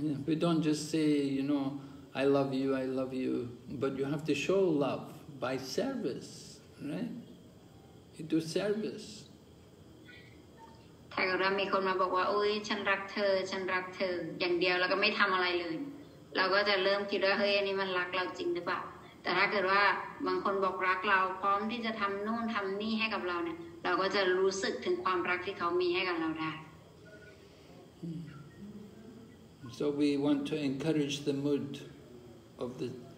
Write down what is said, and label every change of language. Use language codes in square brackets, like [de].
[en] We don't just say you know I love you but you have to show love by service right you do service [th] ถ้าเกิดมีคนมาบอกว่าโอ้ยฉันรักเธออย่างเดียวแล้วก็ไม่ทำอะไรเลยเราก็จะเริ่มคิดว่าเฮ้ยอันนี้มันรักเราจริงหรือเปล่าแต่ถ้าเกิดว่าบางคนบอกรักเราพร้อมที่จะทำนู่นทำนี่ให้กับเราเนี่ยเราก็จะรู้สึกถึงความรักที่เขามีให้กับเราได้ [en] So we want to encourage the mood of the